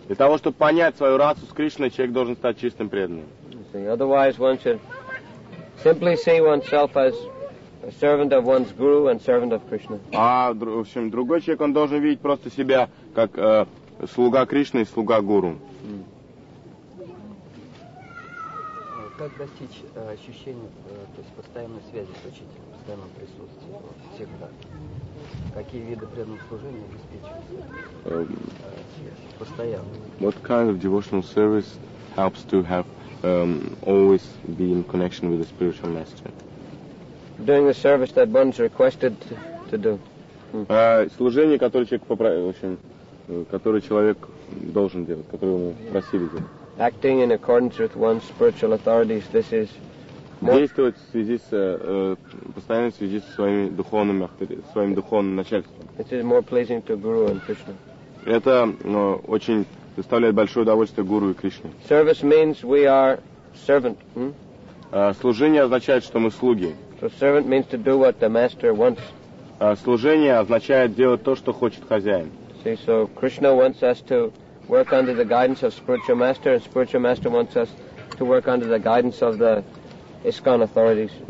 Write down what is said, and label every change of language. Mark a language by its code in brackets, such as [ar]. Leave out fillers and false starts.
[ru] Для того, чтобы понять свою расу с Кришной, человек должен стать чистым преданным. [en] Otherwise, one should simply see oneself as a servant of one's guru and servant of Krishna. [ru] А, в общем, другой человек, он должен видеть просто себя как слуга Кришны и слуга гуру. Как достичь ощущения, то есть постоянной связи с учителем, постоянного присутствия всегда? Какие виды преданного служения обеспечивают связь постоянно? [en] What kind of devotional service helps to have always be in connection with the spiritual master? Doing the service that one's requested to do. [ru] Служение, которое человек попросил, в общем, которое человек должен делать, которое ему просили делать. [en] Acting in accordance with one's spiritual authorities, this is. [ru] Действовать в связи с постоянно в связи со своими духовными авторитетами, своим духовным начальством. [en] This is more pleasing to Guru and Krishna. [ru] Это очень доставляет большое удовольствие Гуру и Кришне. [en] Service means we are servant. [ru] Служение означает, что мы слуги. [en] So servant means to do what the master wants. [ru] Служение означает делать то, что хочет хозяин. [en] See, so Krishna wants us to work under the guidance of spiritual master, and spiritual master wants us to work under the guidance of the ISKCON authorities.